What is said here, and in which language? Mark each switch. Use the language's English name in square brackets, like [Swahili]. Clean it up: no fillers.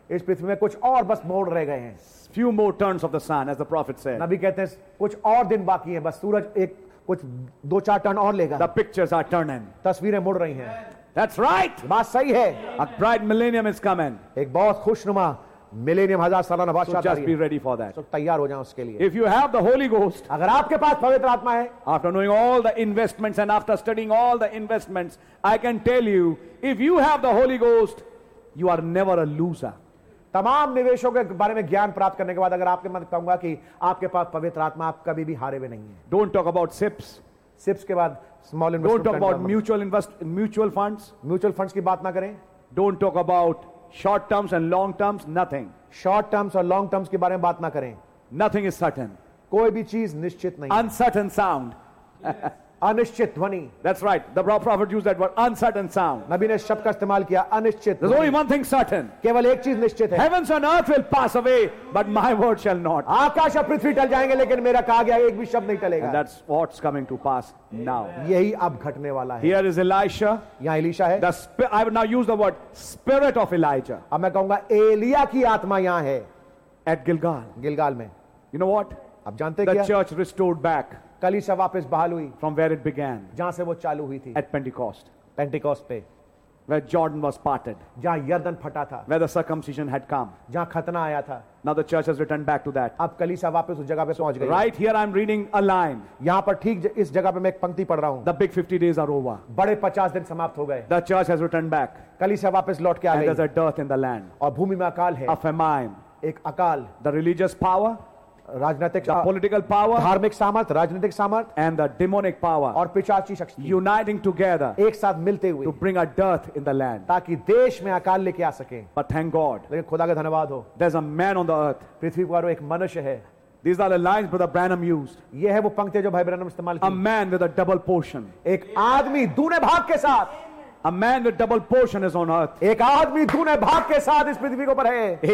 [Hindi] इस पृथ्वी में कुछ और बस मोड़ रह गए हैं. [English] Few more turns of the sun, as the prophet said. [Hindi] नबी कहते हैं कुछ और दिन बाकी हैं, बस सूरज एक कुछ दो चार टर्न और लेगा. [English] The pictures are turning. [Hindi] तस्वीरें मुड़ रही हैं. [English] That's right. [Hindi] बात सही है. [English] A bright millennium is coming. [Hindi] एक बहुत खुशनुमा millennium हजार सालाना बादशाह. [English] So just be ready for that. [Hindi] So तैयार हो जाएं उसके लिए. [English] If you have the Holy Ghost. [Hindi] अगर आपके पास पवित्र आत्मा है. [English] After knowing all the investments and after studying all the investments, I can tell you, if you have the Holy Ghost, you are never a loser. [Hindi] तमाम निवेशों के बारे में ज्ञान प्राप्त करने के बाद अगर आपके मन कहूंगा कि आपके पास पवित्र आत्मा आप कभी भी हारे हुए नहीं है. [English] Don't talk about sips. Sips [Hindi] के बाद [English] small investment. Don't talk about mutual funds. [Hindi] Mutual funds की बात ना करें. [English] Don't talk about short terms and long terms. Nothing. [Hindi] Short terms और long terms के बारे में बात ना करें. [English] Nothing is certain. [Hindi] कोई भी चीज निश्चित नहीं. [English] Uncertain sound. [Hindi] अनिश्चित ध्वनि. [English] That's right. The prophet used that word. Uncertain sound. [Hindi] नबी ने शब्द का इस्तेमाल किया अनिश्चित. [English] There's only one thing certain. [Hindi] केवल एक चीज निश्चित है. [English] Heavens and earth will pass away, but my word shall not. [Hindi] आकाश और पृथ्वी टल जाएंगे, लेकिन मेरा कहा गया एक भी शब्द नहीं टलेगा. [English] That's what's coming to pass now. [Hindi] यही अब घटने वाला है. [English] Here is Elisha. [Hindi] यहाँ एलिशा है. [English] I will now use the word spirit of Elijah. [Hindi] अब मैं कहूंगा एलिया की आत्मा यहाँ है. [English] At Gilgal. [Hindi] गिलगाल में. [English] You know what? [Hindi] अब जानते हैं. [English] The church restored back. [Hindi] कलीसिया वापस बहाल हुई. [English] From where it began. [Hindi] जहां से वो चालू हुई थी. [English] At Pentecost. [Hindi] Pentecost पे. [English] Where Jordan was parted. [Hindi] जहां यर्दन फटा था. [English] Where the circumcision had come. [Hindi] जहां खतना आया था. [English] Now the church has returned back to that. [Hindi] अब कलीसिया वापस उस जगह पे पहुंच गई. [English] Right here I'm reading a line. [Hindi] यहां पर ठीक इस जगह पे मैं एक पंक्ति पढ़ रहा हूं. [English] The big 50 days are over. [Hindi] बड़े 50 दिन समाप्त हो गए. [English] The church has returned back. [Hindi] कलीसिया वापस लौट के आ गई. [English] There's a dearth in the land. [Hindi] और भूमि में अकाल है. [English] A famine. [Hindi] एक अकाल. [English] The religious power. [Hindi] राजनीतिक [English] Political power. [Hindi] धार्मिक सामर्थ्य. राजनीतिक सामर्थ्य. [English] And the demonic power. [Hindi] और पिशाची शक्ति. [English] Uniting together. [Hindi] एक साथ मिलते हुए. [English] To bring a dearth in the land. [Hindi] ताकि देश में अकाल लेके आ सके. [English] But thank God. [Hindi] लेकिन खुदा का धन्यवाद हो. [English] There is a man on the earth. [Hindi] पृथ्वी पर एक मनुष्य है. [English] These are the lines Brother Branham used. [Hindi] ये है वो पंक्तियां जो भाई ब्रैनम इस्तेमाल किया. [English] A man with a double portion. [Hindi] एक आदमी दूने भाग के साथ. [English] A man with double portion is on earth. [Hindi] एक आदमी दूने भाग के साथ इस पृथ्वी के ऊपर है.